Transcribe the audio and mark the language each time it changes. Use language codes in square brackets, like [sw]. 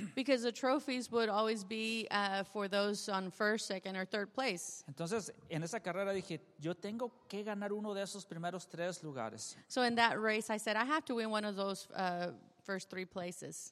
[en] Because the trophies would always be for those on first, second, or third place. [es] Entonces, en esa carrera dije, yo tengo que ganar uno de esos primeros tres lugares. [en] So in that race, I said, I have to win one of those first three places.